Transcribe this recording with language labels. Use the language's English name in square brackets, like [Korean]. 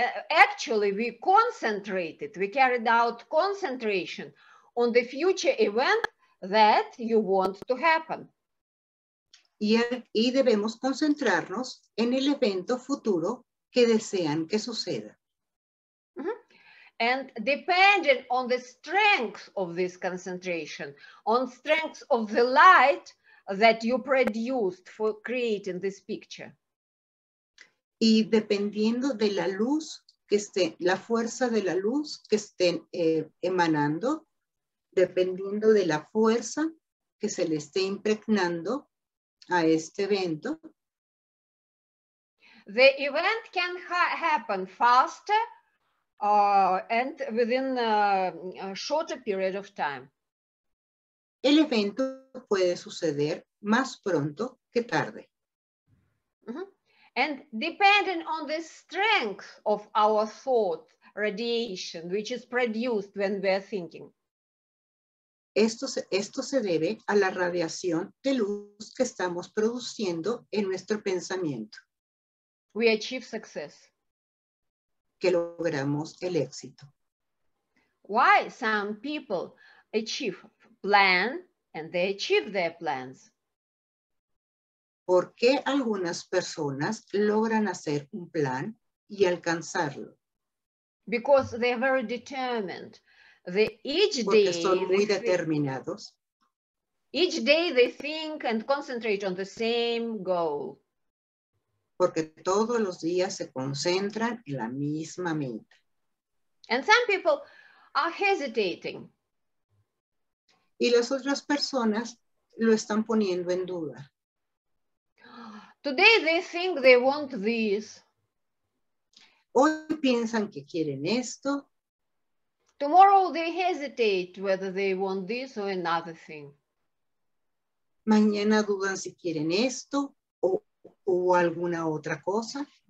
[English] Actually, we concentrated, we carried out concentration on the future event that you want to happen. [Spanish] Y debemos concentrarnos en el evento futuro que desean que suceda. [English] And depending on the strength of this concentration, on strength of the light that you produced for creating this picture. [Spanish] Y dependiendo de la luz que esté, la fuerza de la luz que estén emanando, dependiendo de la fuerza que se le esté impregnando a este evento. [English] The event can happen faster and within a shorter period of time. [Spanish] El evento puede suceder más pronto que tarde. [English] And depending on the strength of our thought radiation, which is produced when we are thinking. [Spanish] Esto se debe a la radiación de luz que estamos produciendo en nuestro pensamiento. [English] We achieve success. [Spanish] Que logramos el éxito. [English] Why some people achieve plan and they achieve their plans? [Spanish] ¿Por qué algunas personas logran hacer un plan y alcanzarlo? [English] Because they are very determined. [Spanish] Porque son muy determinados. [English] Each day they think and concentrate on the same goal. [Spanish] Porque todos los días se concentran en la misma meta. [English] And some people are hesitating. [Spanish] Y las otras personas lo están poniendo en duda. [English] Today they think they want this. [Spanish] Hoy piensan que quieren esto. [English] Tomorrow they hesitate whether they want this or another thing. [Spanish] Mañana dudan si quieren esto o alguna otra cosa.